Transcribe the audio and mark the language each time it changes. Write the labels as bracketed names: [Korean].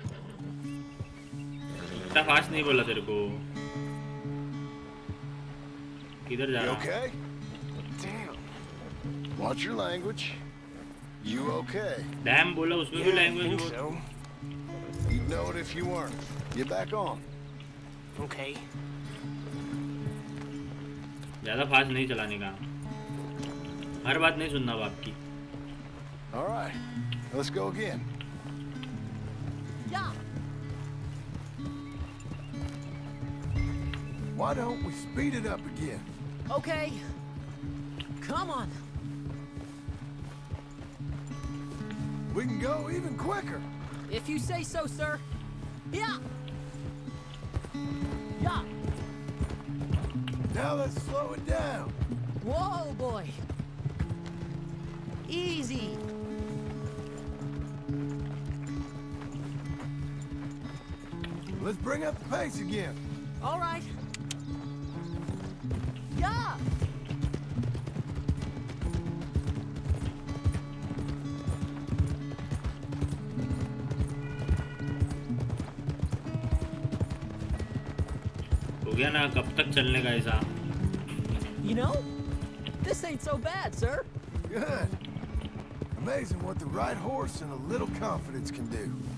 [Hindi] इतना फास्ट नहीं बोला तेरे को किधर जा रहा है okay [English] damn watch your language you okay [Hindi] damn बोला उसमें भी लैंग्वेज हो [English] you'd know it if you weren't get back on okay [Hindi] ज्यादा फास्ट नहीं चलाने का हर बात नहीं सुनना बाप की [English] all right let's go again yeah Why don't we speed it up again? Okay. Come on. We can go even quicker. If you say so, sir. Yeah. Yeah. Now let's slow it down. Whoa, boy. Easy. Let's bring up the pace again. All right. [Hindi] हो गया ना कब तक चलने का ऐसा? [English] You know, this ain't so bad, sir. Good. Amazing what the right horse and a little confidence can do.